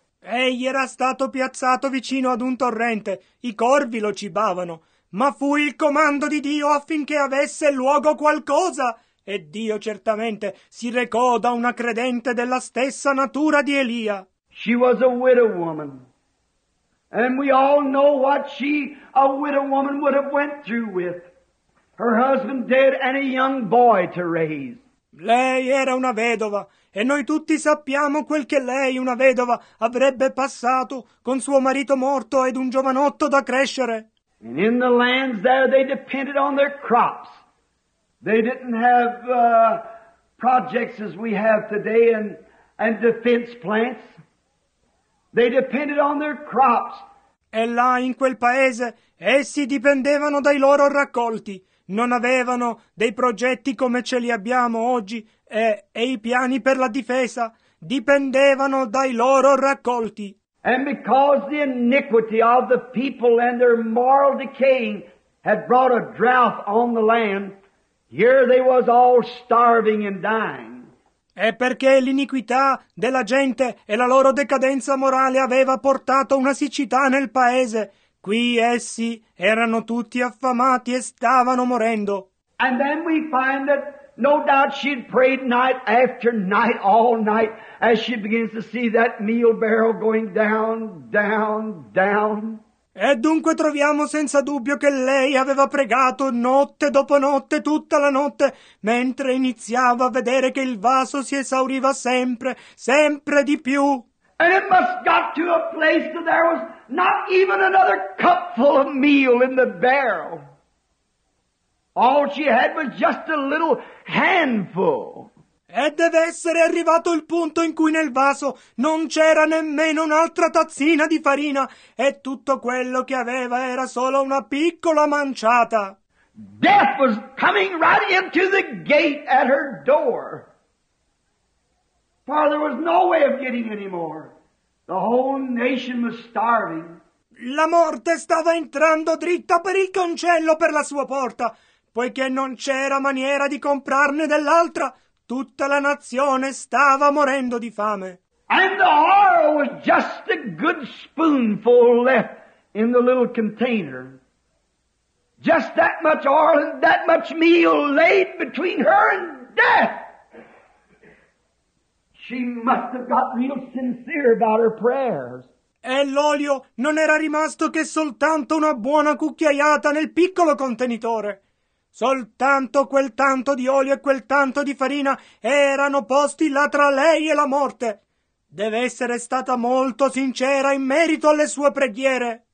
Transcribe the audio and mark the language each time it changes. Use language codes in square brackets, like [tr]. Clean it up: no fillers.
[it] Egli era stato piazzato vicino ad un torrente, i corvi lo cibavano, ma fu il comando di Dio affinché avesse luogo qualcosa, e Dio certamente si recò da una credente della stessa natura di Elia. [en] She was a widow woman, and we all know what she, a widow woman, would have went through with her husband dead and a young boy to raise. [it] Lei era una vedova, e noi tutti sappiamo quel che lei, una vedova, avrebbe passato con suo marito morto ed un giovanotto da crescere. [en] And in the lands there they depended on their crops. They didn't have projects as we have today and defense plants. They depended on their crops. [it] E là in quel paese essi dipendevano dai loro raccolti. Non avevano dei progetti come ce li abbiamo oggi e i piani per la difesa dipendevano dai loro raccolti. [en] And because the iniquity of the people and their moral decaying had brought a drought on the land, here they was all starving and dying. [it] E perché l'iniquità della gente e la loro decadenza morale aveva portato una siccità nel paese, qui essi erano tutti affamati e stavano morendo. [en] And then we find that no doubt she'd prayed night after night, all night, as she begins to see that meal barrel going down, down, down. [it] E dunque troviamo senza dubbio che lei aveva pregato notte dopo notte, tutta la notte, mentre iniziava a vedere che il vaso si esauriva sempre, sempre di più. [en] And it must got to a place that there was not even another cup full of meal in the barrel. All she had was just a little handful. [it] E deve essere arrivato il punto in cui nel vaso non c'era nemmeno un'altra tazzina di farina e tutto quello che aveva era solo una piccola manciata. [en] Death was coming right into the gate at her door. For there was no way of getting any more. The whole nation was starving. [it] La morte stava entrando dritta per il cancello per la sua porta, poiché non c'era maniera di comprarne dell'altra. Tutta la nazione stava morendo di fame. [en] And the horror was just a good spoonful left in the little container. Just that much oil and that much meal laid between her and death. She must have got real sincere about her prayers. [it] E l'olio non era rimasto che soltanto una buona cucchiaiata nel piccolo contenitore. Soltanto quel tanto di olio e quel tanto di farina erano posti là tra lei e la morte. Deve essere stata molto sincera in merito alle sue preghiere.